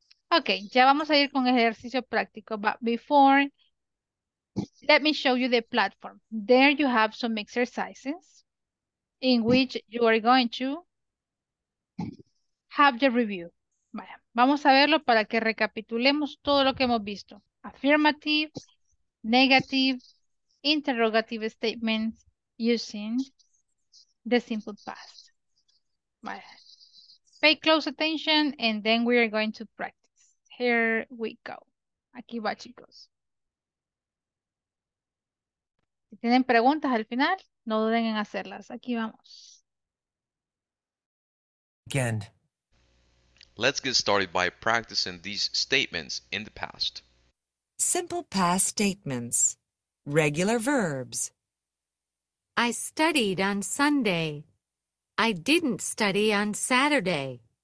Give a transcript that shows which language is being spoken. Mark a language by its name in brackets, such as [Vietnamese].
[Spanish] Okay, ya vamos a ir con ejercicio práctico. [English] But before, let me show you the platform. There you have some exercises in which you are going to have your review. [Spanish] Vaya, vamos a verlo para que recapitulemos todo lo que hemos visto. [English] Affirmative, negative, interrogative statements using the simple past. Vaya. Pay close attention and then we are going to practice. Here we go. [Spanish] Aquí va, chicos. Si tienen preguntas al final, no duden en hacerlas. Aquí vamos. [English] Again. Let's get started by practicing these statements in the past. Simple past statements. Regular verbs. I studied on Sunday. I didn't study on Saturday.